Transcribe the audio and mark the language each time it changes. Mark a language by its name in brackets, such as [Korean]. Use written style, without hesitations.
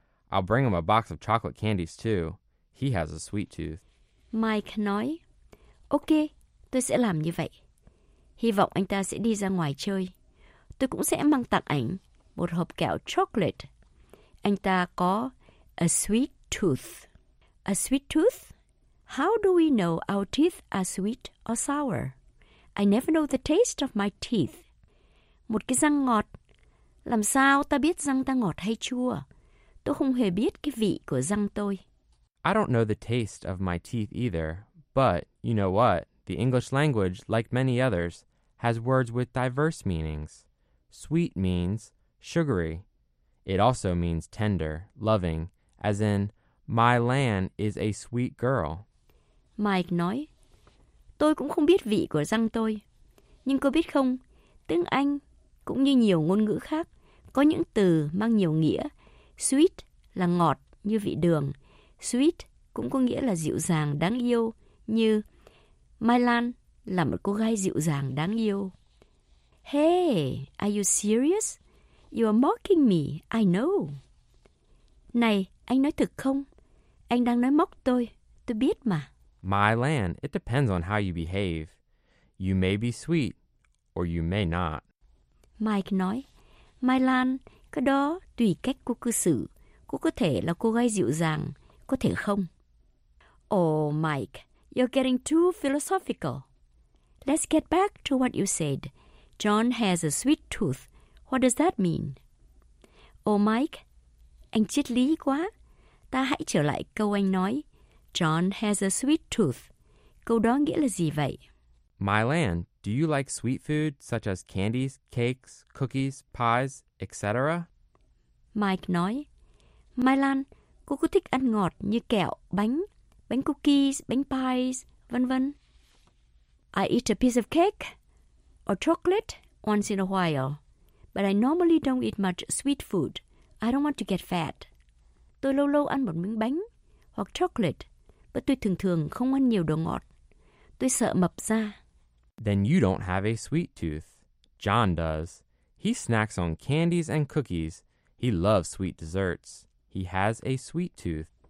[English] I'll bring him a box of chocolate candies too. He has a sweet tooth. [Vietnamese] Mike nói, okay, tôi sẽ làm như vậy. Hy vọng anh ta sẽ đi ra ngoài chơi. Tôi cũng sẽ mang tặng anh một hộp kẹo chocolate. Anh ta có [English] a sweet tooth. A sweet tooth? How do we know our teeth are sweet or sour? I never know the taste of my teeth. [Vietnamese] Một cái răng ngọt. Làm sao ta biết răng ta ngọt hay chua? Tôi không hề biết cái vị của răng tôi. [English] I don't know the taste of my teeth either. But, you know what? The English language, like many others, has words with diverse meanings. Sweet means sugary. It also means tender, loving, as in, my Lan is a sweet girl. [Vietnamese] Mike nói, tôi cũng không biết vị của răng tôi. Nhưng cô biết không, tiếng Anh, cũng như nhiều ngôn ngữ khác, có những từ mang nhiều nghĩa. Sweet là ngọt như vị đường. Sweet cũng có nghĩa là dịu dàng, đáng yêu, như My Lan là một cô gái dịu dàng, đáng yêu. [English] Hey, are you serious? You are mocking me, I know. [Vietnamese] Này, anh nói thật không? Anh đang nói móc tôi biết mà. [English] My Lan, it depends on how you behave. You may be sweet, or you may not. [Vietnamese] Mike nói, My Lan, cái đó tùy cách cô cư xử. Cô có thể là cô gái dịu dàng, có thể không. [English] Oh, Mike, you're getting too philosophical. Let's get back to what you said. John has a sweet tooth. What does that mean? Oh, Mike, [Vietnamese] anh triết lý quá. Ta hãy trở lại câu anh nói. [English] John has a sweet tooth. [Vietnamese] Câu đó nghĩa là gì vậy? [English] My Lan, do you like sweet food such as candies, cakes, cookies, pies, etc.? [Vietnamese] Mike nói, My Lan, cô có thích ăn ngọt như kẹo, bánh, bánh cookies, bánh pies, vân vân. [English] I eat a piece of cake or chocolate once in a while, but I normally don't eat much sweet food. I don't want to get fat. [Vietnamese] Tôi lâu lâu ăn một miếng bánh hoặc chocolate, và tôi thường thường không ăn nhiều đồ ngọt. Tôi sợ mập ra. [English] Then you don't have a sweet tooth. John does. He snacks on candies and cookies. He loves sweet desserts. He has a sweet tooth.